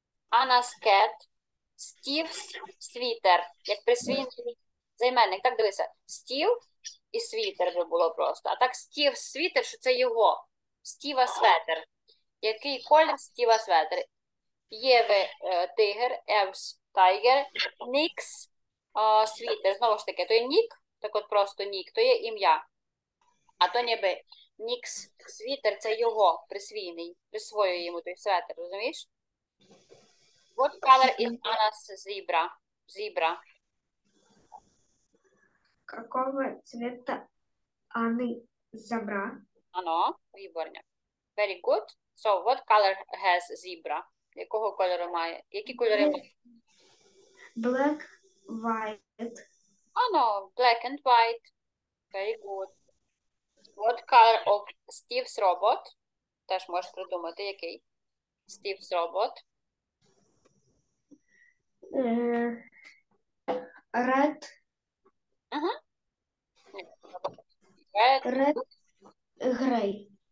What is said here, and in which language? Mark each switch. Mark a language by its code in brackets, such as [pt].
[en] Anna's cat, Steve's sweater, [uk] як присвійний займенник. Так, дивися, Steve і sweater би було просто. А так Steve's sweater, що це його, Steve'a sweater. Який колір Steve'a sweater? Єве тигр, Евс тайгер, Нікс світер. Знову ж таки, то є Нік, так от просто Нік, то є ім'я. А то ніби Нікс світер, це його присвійний, присвоює йому той светер, розумієш? [en] What color is Anna's zebra? [uk] Зібра. Какого цвіта Анни зебра? Ано, виборня. [en] Very good. So, what color has zebra? [uk] Якого кольору має? Які кольори має? [en] Black, white. Ано, black and white. Very good. What color of Steve's robot? [uk] Теж можеш придумати, який. [en] Steve's robot. Red. Red, gray.